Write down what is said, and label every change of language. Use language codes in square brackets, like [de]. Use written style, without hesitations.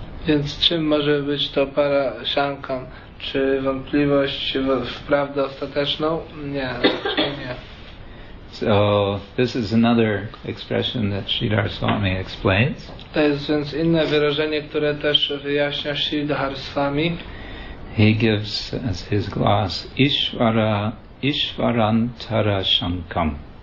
[pl] Więc czym może być to parashankam? Czy wątpliwość w prawdę ostateczną? Nie, nie. [en] So this is another expression that Sridhar Swami explains. [pl] To jest więc inne wyrażenie, które też wyjaśnia Sridhar Swami. [en] He gives as his gloss Ishvarantara Shankam.